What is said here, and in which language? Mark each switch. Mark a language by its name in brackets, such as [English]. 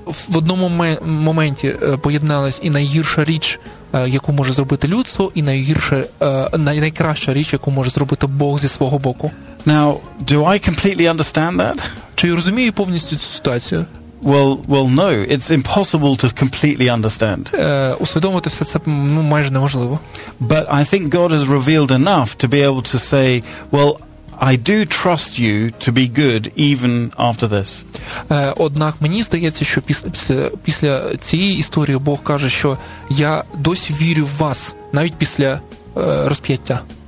[Ukrainian] В одному моменті поєдналась і найгірша річ, яку може зробити людство, і найкраща річ, яку може зробити Бог зі свого боку. [English] Now, do I completely understand that? [Ukrainian] Чи я розумію повністю цю ситуацію? [English] Well, no, it's impossible to completely understand. [Ukrainian] Усвідомити все це, ну, майже неможливо. [English] But I think God has revealed enough to be able to say, well, I do trust you to be good even after this. [Ukrainian] Однак мені здається, що після цієї історії Бог каже, що я досі вірю в вас, навіть після розп'яття.